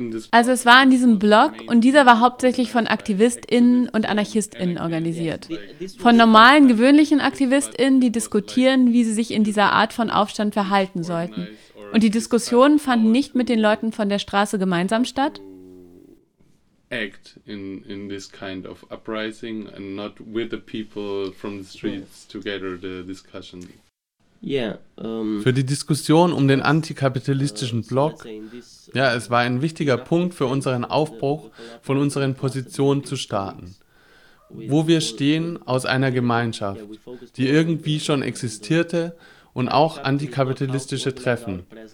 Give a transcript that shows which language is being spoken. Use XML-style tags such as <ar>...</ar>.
<de>Also es war in diesem Block, und dieser war hauptsächlich von AktivistInnen und AnarchistInnen organisiert. Von normalen, gewöhnlichen AktivistInnen, die diskutieren, wie sie sich in dieser Art von Aufstand verhalten sollten. Und die Diskussionen fanden nicht mit den Leuten von der Straße gemeinsam statt.</de> <en>Act in this kind of uprising and not with the people from the streets together the discussion. Yeah.</en> <de>Für die Diskussion um den antikapitalistischen Block, ja, es war ein wichtiger Punkt für unseren Aufbruch, von unseren Positionen zu starten. Wo wir stehen aus einer Gemeinschaft, die irgendwie schon existierte, und auch antikapitalistische Treffen.</de>